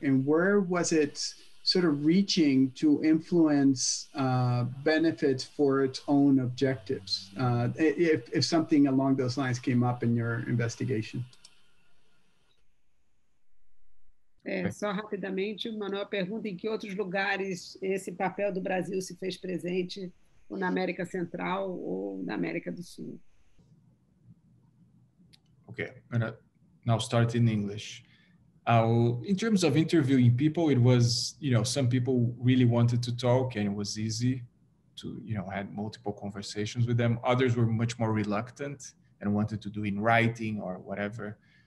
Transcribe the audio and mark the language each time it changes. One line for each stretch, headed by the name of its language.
English: And where was it sort of reaching to influence benefits for its own objectives, if something along those lines came up in your investigation?
Portuguese: É, só rapidamente, Manuel pergunta em que outros lugares esse papel do Brasil se fez presente, ou na América Central ou na América do Sul.
English: Okay, and now start in English. In terms of interviewing people, it was, you know, some people really wanted to talk and it was easy to, you know, had multiple conversations with them. Others were much more reluctant and wanted to do in writing or whatever.